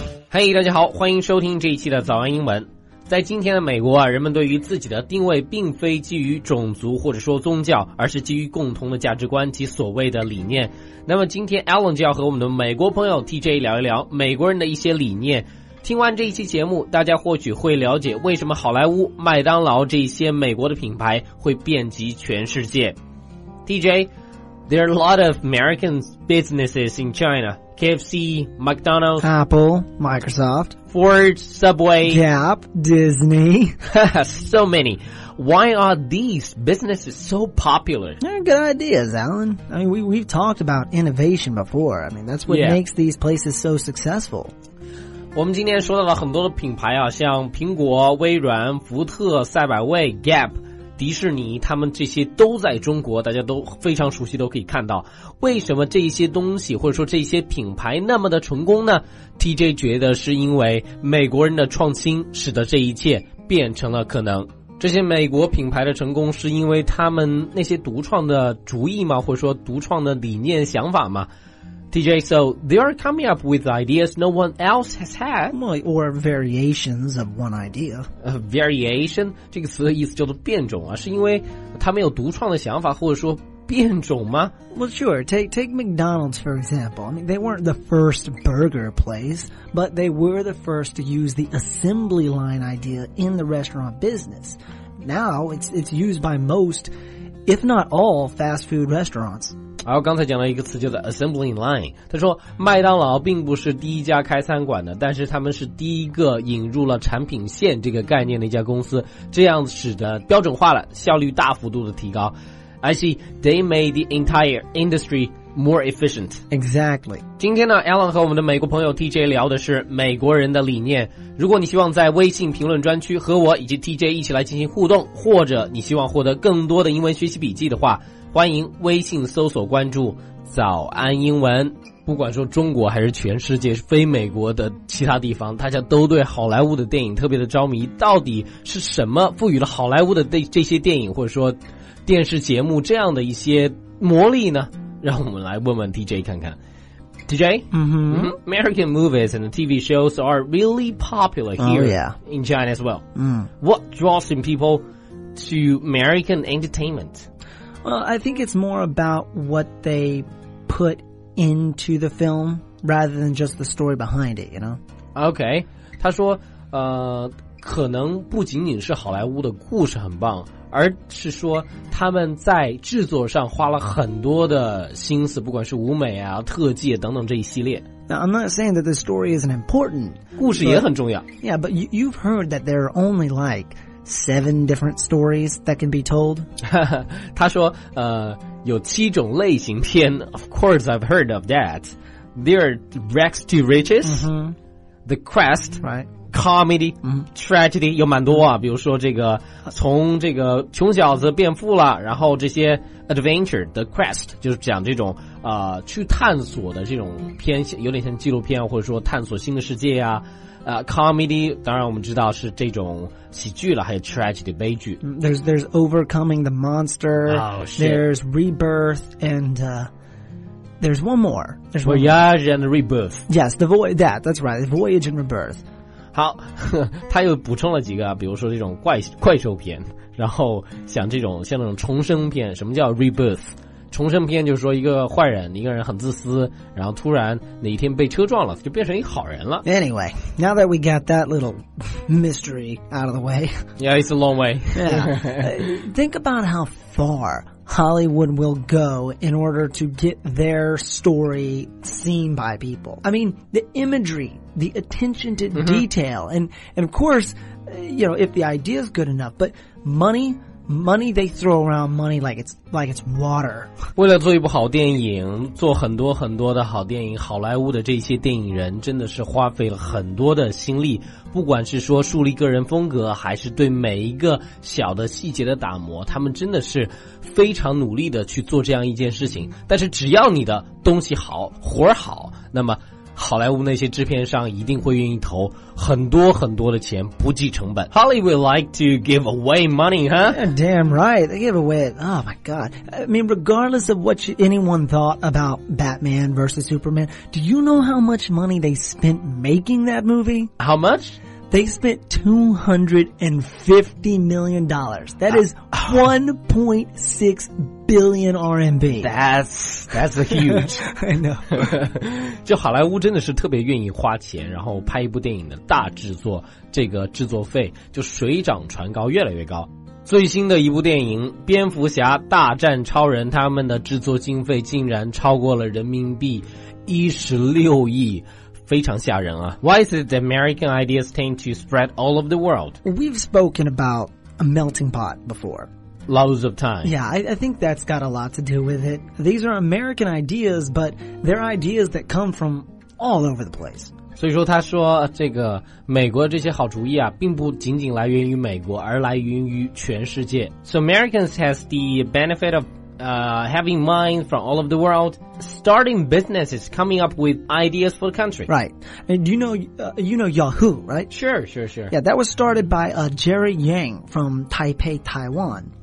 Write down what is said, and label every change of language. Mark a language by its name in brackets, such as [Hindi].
[Chinese] 嘿，大家好，欢迎收听这一期的早安英文。在今天的美国啊，人们对于自己的定位并非基于种族或者说宗教，而是基于共同的价值观及所谓的理念。那么今天 Alan 就要和我们的美国朋友 TJ 聊一聊美国人的一些理念。听完这一期节目，大家或许会了解为什么好莱坞、麦当劳这些美国的品牌会遍及全世界。 [English] TJ, There are a lot of American businesses in China. KFC, McDonald's, Apple, Microsoft, Ford, Subway, Gap, Disney. So many. Why are these businesses so popular? They're good ideas, Alan. I mean, we've talked about innovation before. I mean, that's what makes these places so successful. [Chinese] 我们今天说到了很多的品牌啊，像苹果、微软、福特、赛百味、 Gap、 迪士尼，他们这些都在中国，大家都非常熟悉，都可以看到。为什么这些东西或者说这些品牌那么的成功呢？ TJ 觉得是因为美国人的创新使得这一切变成了可能。这些美国品牌的成功是因为他们那些独创的主意吗？或者说独创的理念想法吗？ [English] TJ, so they are coming up with ideas no one else has had. Or variations of one idea. Variation? [Chinese] 这个词的意思叫做变种啊，是因为他们有独创的想法，或者说变种吗？ [English] Well, sure. Take McDonald's, for example. I mean, they weren't the first burger place, but they were the first to use the assembly line idea in the restaurant business. Now, it's used by most, if not all, fast food restaurants. [Chinese] 然后刚才讲了一个词叫做 assembly line, 他说麦当劳并不是第一家开餐馆的，但是他们是第一个引入了产品线这个概念的一家公司，这样使得标准化了，效率大幅度的提高。 [English] I see, they made the entire industry more efficient. Exactly. [Chinese] 今天呢 Alan 和我们的美国朋友 TJ 聊的是美国人的理念。如果你希望在微信评论专区和我以及 TJ 一起来进行互动，或者你希望获得更多的英文学习笔记的话，欢迎微信搜索关注早安英文。不管说中国还是全世界，非美国的其他地方，大家都对好莱坞的电影特别的着迷。到底是什么赋予了好莱坞的这些电影或者说电视节目这样的一些魔力呢？让我们来问问 TJ 看看。 [English] TJ, American movies and TV shows are really popular here in China as well. What draws in people to American entertainment? Well, I think it's more about what they put into the film rather than just the story behind it, you know? Okay. [Chinese] 他说可能不仅仅是好莱坞的故事很棒，而是说他们在制作上花了很多的心思，不管是舞美啊、特技等等这一系列。 [English] Now, I'm not saying that the story isn't important. [Chinese] 故事也很重要。 [English] Yeah, but you've heard that there are only like... 7 different stories that can be told. [Chinese] 他说有七种类型片。 [English] Of course I've heard of that. There are Rags to Riches, The Quest, Comedy, Tragedy, [Chinese] 有蛮多啊，比如说这个从这个穷小子变富了，然后这些 Adventure, The Quest, 就是讲这种去探索的这种片，有点像纪录片或者说探索新的世界啊。 Comedy, 当然我们知道是这种喜剧了，还有 tragedy, 悲剧。 [English] There's Overcoming the Monster,there's Rebirth, and there's one more. There's one Voyage more. And Rebirth. Yes, that's right, Voyage and Rebirth. [Chinese] 好，他又补充了几个，比如说这种怪兽片，然后像这种重生片。什么叫 Rebirth? 重生片就是说一个坏人，一个人很自私，然后突然哪一天被车撞了，就变成一个好人了。 [English] Anyway, now that we got that little mystery out of the way. Yeah, it's a long way. Think about how far Hollywood will go in order to get their story seen by people. I mean, the imagery, the attention to detail, and of course, you know, if the idea is good enough, but money, they throw around money like it's water. [Chinese] 为了做一部好电影，做很多很多的好电影，好莱坞的这些电影人真的是花费了很多的心力，不管是说树立个人风格，还是对每一个小的细节的打磨，他们真的是非常努力的去做这样一件事情。但是只要你的东西好，活好，那么好莱坞那些制片商一定会愿意投很多很多的钱，不计成本。 [English] Hollywood like to give away money, huh? Yeah, damn right, they give away it. Oh my god. I mean, regardless of what anyone thought about Batman versus Superman, do you know how much money they spent making that movie? How much? They spent $250 million. That is 1.6 billion RMB. That's a huge. I know. [Chinese] 就好莱坞真的是特别愿意花钱，然后拍一部电影的大制作，这个制作费就水涨船高，越来越高。最新的一部电影《蝙蝠侠大战超人》，他们的制作经费竟然超过了人民币16亿。非常吓人啊。 [English] Why is it that American ideas tend to spread all over the world? We've spoken about a melting pot before. Loads of time. Yeah, I think that's got a lot to do with it. These are American ideas, but they're ideas that come from all over the place. [Chinese] 所以说他说这个美国这些好主意啊并不仅仅来源于美国，而来源于全世界。 [English] So Americans has the benefit of having minds from all over the world, starting businesses, coming up with ideas for the country. Right. And you know Yahoo, right? Sure. Yeah, that was started by Jerry Yang from Taipei, Taiwan.